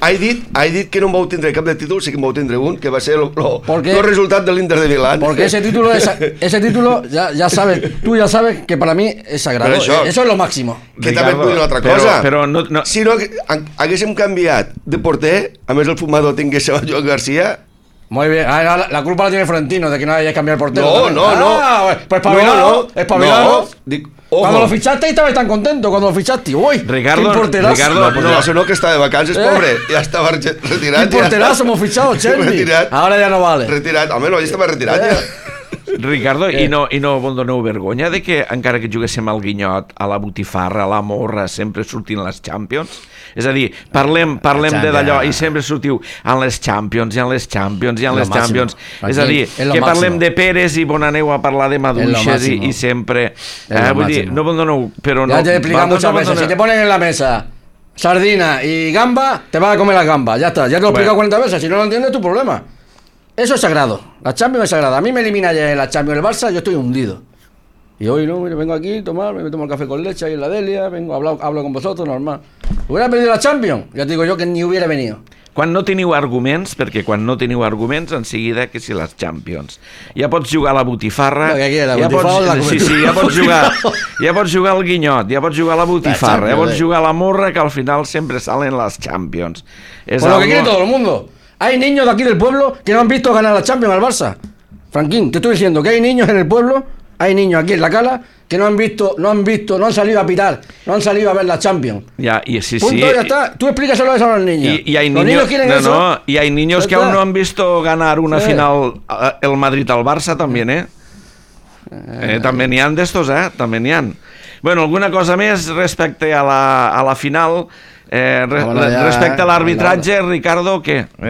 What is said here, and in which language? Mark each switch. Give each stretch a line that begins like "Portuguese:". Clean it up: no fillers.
Catalan: Ha dit que no vau tindre cap de títol, sí que vau tindre un, que va ser el resultat de l'Inter de Milán.
Spanish: Porque ese título, ya sabes, tú ya sabes que para mí es sagrado. Eso es lo máximo.
Catalan: Que també et vull dir una altra cosa. Però no. Si no haguéssim canviat de porter, a més el fumador tingués a Joan García...
Spanish: Muy bien, la culpa la tiene Florentino de que no hayáis cambiado el portero. No. Pues espabilado. Cuando lo fichaste y estabas tan contento, cuando lo fichaste, uy, Ricardo, qué porterazo. Ricardo, no, pues no, que está de
Catalan: vacances,
Spanish: pobre, ya estaba retirado. Qué porterazo, hemos fichado, Chelsea. Ahora ya no vale. Retirado, al menos ya estaba retirado.
Catalan: Ricardo, i no vol donar vergonya de que encara que juguéssim al Guinyot, a la Botifarra, a la Morra, sempre sortint les Champions? És a dir, parlem de d'allò i sempre sortiu en les Champions, i en les Champions, i en les Champions. És a dir, que parlem de Pérez i Bonaneu a parlar de maduixes i sempre... Vull dir, no vol donar... Però no, ja t'he explicat moltes vegades.
Spanish: Si te ponen en la mesa sardina i gamba, te vas a comer la gamba.
Catalan: Ja està, ja t'ho he explicat 40 vegades.
Spanish: Si no lo entiendes, tu problema. Eso es sagrado. La Champions es sagrada. A mí me elimina ya la Champions el Barça, yo estoy hundido. Y hoy no, yo vengo aquí a tomar, me tomo el café con leche ahí en la Delia, vengo, hablo con vosotros, normal. ¿Hubiera perdido la Champions? Ya te digo yo que ni hubiera venido.
Catalan: quan no teniu arguments, perquè quan no teniu arguments, en seguida que si les Champions. Ja pots jugar a la botifarra. No, aquí, la botifarra ja pots, sí, sí, ja pots jugar. Ja pots jugar al guinyot, ja pots jugar a la botifarra, ja pots jugar a la morra, que al final sempre
Spanish: salen
Catalan: les Champions.
Spanish: És lo que quiere todo el mundo. Hay niños de aquí del pueblo que no han visto ganar la Champions al Barça. Franquín, te estoy diciendo que hay niños en el pueblo, hay niños aquí en la cala que no han visto, no han salido a pitar, no han salido a ver la Champions. Ya, y sí, punto, sí. Punto, ya está. Tú explícaselo eso a los niños. Y hay niños que aún no han visto ganar una final el Madrid al Barça también, ¿eh? También hay de estos, ¿eh? También hay.
Catalan: Bueno, alguna cosa más respecte a la final, respecte a l'arbitratge, Ricardo,
Spanish: ¿qué?